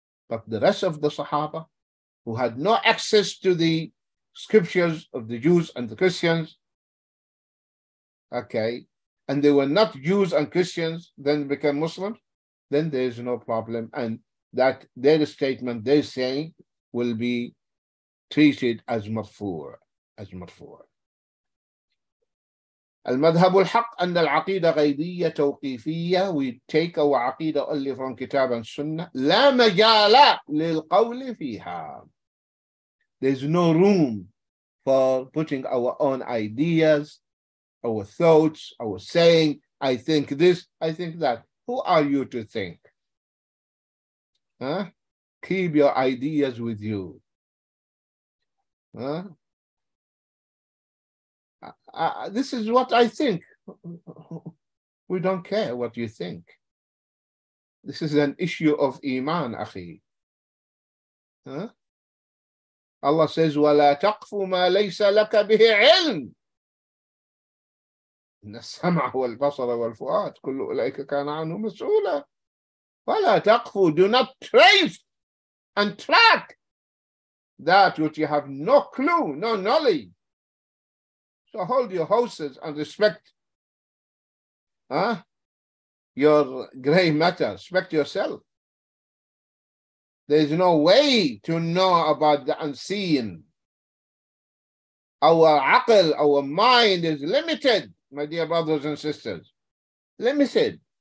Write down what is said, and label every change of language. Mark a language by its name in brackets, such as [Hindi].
[English] But the rest of the Sahaba, who had no access to the scriptures of the Jews and the Christians, okay, and they were not Jews and Christians, then became Muslims, then there is no problem. And that their statement, their saying, will be treated as marfu', as marfu'. [Arabic] المذهب الحق أن العقيدة غيبية توقيفية. [English] We take our عقيدة only from كتاب and Sunnah. [Arabic] لا مجال للقول فيها. [English] There's no room for putting our own ideas, our thoughts, our saying, I think this, I think that. Who are you to think? Huh? Keep your ideas with you. Huh? This is what I think. We don't care what you think. This is an issue of iman, akhi. Huh? Allah says, [Arabic] وَلَا تَقْفُ مَا لَيْسَ لَكَ بِهِ عِلْمٍ إِنَّ السَّمْعَ وَالْبَصَرَ وَالْفُؤَادِ كُلُّ أُولَئِكَ كَانَ عَنْهُ مَسْئُولًا وَلَا تَقْفُ [English] Do not trace and track that which you have no clue, no knowledge. So hold your horses and respect your gray matter, respect yourself. There is no way to know about the unseen. Our aql, our mind is limited, my dear brothers and sisters. Limited.